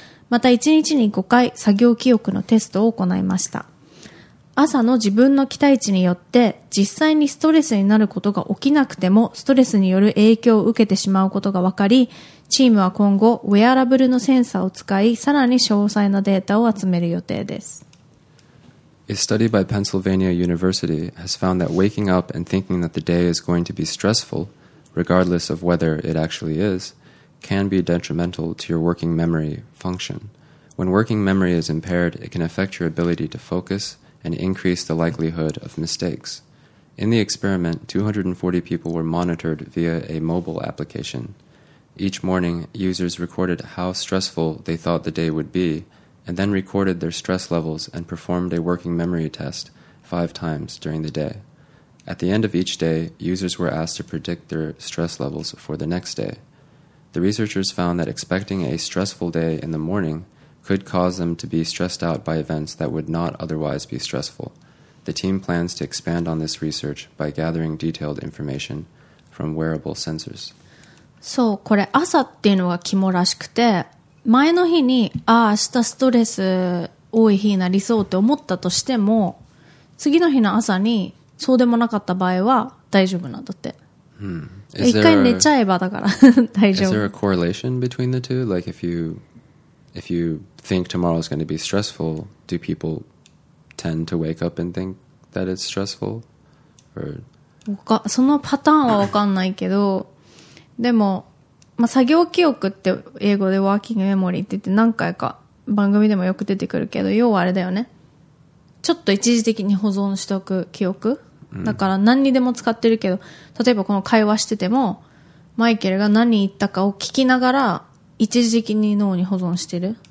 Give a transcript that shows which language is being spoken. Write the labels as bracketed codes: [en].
[ja] また一日に5回作業記憶のテストを行いました。朝の自分の期待値によって実際にストレスになることが起きなくてもストレスによる影響を受けてしまうことが分かり、チームは今後ウェアラブルのセンサーを使いさらに詳細なデータを集める予定です。 [en] A study by Pennsylvania University has found that waking up and thinking that the day is going to be stressful regardless of whether it actually is, can be detrimental to your working memory function. When working memory is impaired, it can affect your ability to focus and increase the likelihood of mistakes. In the experiment, 240 people were monitored via a mobile application. Each morning, users recorded how stressful they thought the day would be, and then recorded their stress levels and performed a working memory test 5 times during the day. At the end of each day, users were asked to predict their stress levels for the next day. The researchers found that expecting a stressful day in the morning could cause them to be stressed out by events that would not otherwise be stressful. The team plans to expand on this research by gathering detailed information from wearable sensors. [ja] そう、これ朝っていうのが肝らしくて、前の日に、ああ、明日ストレス多い日になりそうって思ったとしても、次の日の朝にそうでもなかった場合は大丈夫なんだって。 Hmm. 一回寝ちゃえばだから大丈夫。 [en] Is there a correlation between the two? Like if you think tomorrow is going to be stressful, do people tend to wake up and think that it's stressful? Or... [ja] そのパターンは分かんないけど、でも、まあ、作業記憶って英語でワーキングメモリーって言って何回か番組でもよく出てくるけど、要はあれだよね、ちょっと一時的に保存しておく記憶、うん、だから何にでも使ってるけど、例えばこの会話しててもマイケルが何言ったかを聞きながら一時的に脳に保存してる、